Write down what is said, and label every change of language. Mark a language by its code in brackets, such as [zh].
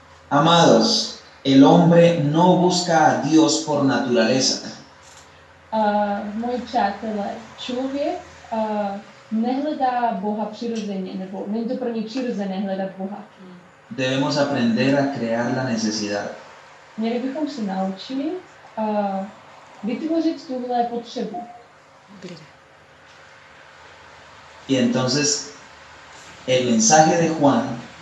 [es] Amados, el hombre no busca a Dios por naturaleza. [cs] Moji přátelé, člověk nehledá Boha přirozeně, nebo není to pro něj přirozené hledat Boha. [es] Debemos aprender a crear la necesidad. [cs] Měli bychom se naučili vytvořit tuhle potřebu. [es] Y entonces el mensaje de Juan